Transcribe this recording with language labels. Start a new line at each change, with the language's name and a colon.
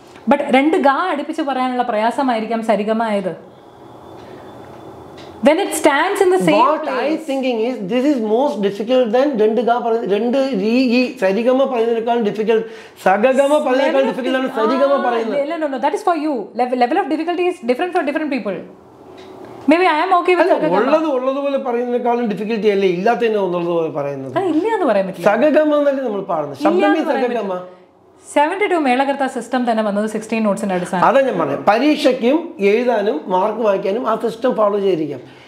Malayalam: But രണ്ട് ഗാ അടുപ്പിച്ച് പറയാനുള്ള പ്രയാസമായിരിക്കാം സരിഗമായത്.
English: When it stands in the same what place. What I thinking is, this is more difficult than
Malayalam: രണ്ട് ഗാ പറയുന്നത്. രണ്ട് ഈ സരിഗമ പറയുന്നതിനേക്കാൾ ഡിഫിക്കൽട്ട്, സഗഗമ പറയുന്നതിനേക്കാൾ ഡിഫിക്കൽട്ട് ആണ് സരിഗമ പറയുന്നത്.
English: No, no, no. That is for you. Level of difficulty is different for different people. Maybe I am okay with സഗഗമ.
Malayalam: ഉള്ളത് ഉള്ളത് പോലെ പറയുന്നതിനേക്കാളും ഡിഫിക്കൽട്ടി അല്ലേ ഇല്ലാത്തതിനെ ഒന്നുള്ളത് പോലെ പറയുന്നത്? ഇല്ല എന്ന് പറയാൻ പറ്റില്ല. സഗഗമ എന്നല്ലേ നമ്മൾ പറയുന്നത്? ശബ്ദമേ സഗഗമ. 72 മേളകർത്ത സിസ്റ്റം തന്നെ വന്നത് 16 നോട്ട്സിന്റെ അടിസ്ഥാനം. അതാ ഞാൻ പറഞ്ഞത്, പരീക്ഷയ്ക്കും എഴുതാനും മാർക്ക് വാങ്ങിക്കാനും ആ സിസ്റ്റം ഫോളോ ചെയ്തിരിക്കാം.